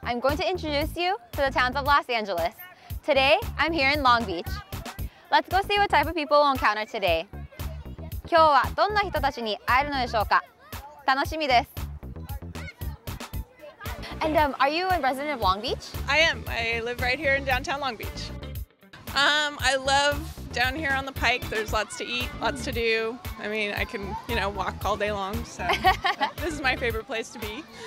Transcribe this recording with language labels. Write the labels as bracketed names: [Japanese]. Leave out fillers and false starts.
[English] I'm going to introduce you to the towns of Los Angeles. Today, I'm here in Long Beach. Let's go see what type of people we'll encounter today. [Japanese] 今日はどんな人たちに会えるのでしょうか。楽しみです。 [English] And are you a resident of Long Beach? I am. I live right here in downtown Long Beach. I love down here on the Pike. There's lots to eat, lots to do. I mean, I can, you know, walk all day long. So this is my favorite place to be.